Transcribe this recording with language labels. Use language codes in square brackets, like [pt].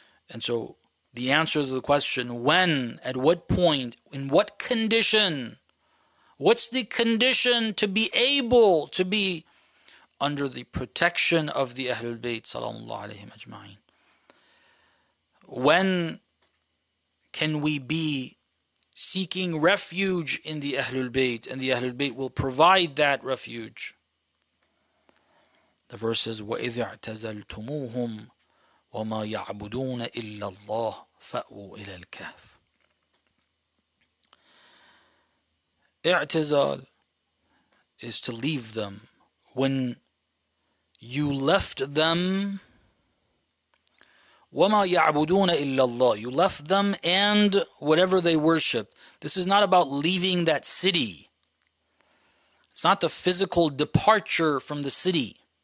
[en] And so the answer to the question, when, at what point, in what condition, what's the condition to be able to be under the protection of the Ahlul Bayt Salamullah alayhim ajma'in? When can we be seeking refuge in the Ahlul Bayt, and the Ahlul Bayt will provide that refuge? The verse says, [ar] وَإِذْ اَعْتَزَلْتُمُوهُمْ وَمَا يَعْبُدُونَ إِلَّا اللَّهِ فَأْوُوا إِلَى الْكَهْفِ. [en] اعْتَزَال is to leave them. When you left them, [ar] وَمَا يَعْبُدُونَ إِلَّا اللَّهِ, [en] you left them and whatever they worship. This is not about leaving that city. It's not the physical departure from the city.